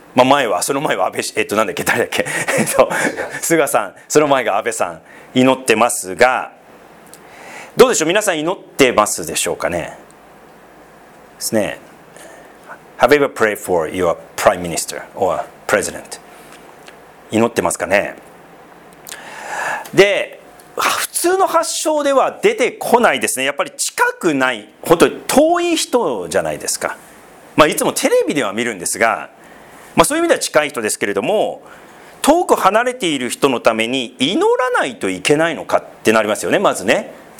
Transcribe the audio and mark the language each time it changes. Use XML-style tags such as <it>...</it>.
<ja>前はその前は安倍、なんだっけ、誰だっけ菅さん、その前が安倍さん、祈ってますが、どうでしょう、皆さん祈ってますでしょうかね。ですね、</ja> <en>Have you ever prayed for your prime minister or president?</en> <ja>祈ってますかね。で、普通の発祥では出てこないですね。やっぱり近くない、本当に遠い人じゃないですか。いつもテレビでは見るんですが、そういう意味では近い人ですけれども、遠く離れている人のために祈らないといけないのかってなりますよね、まずね。</ja>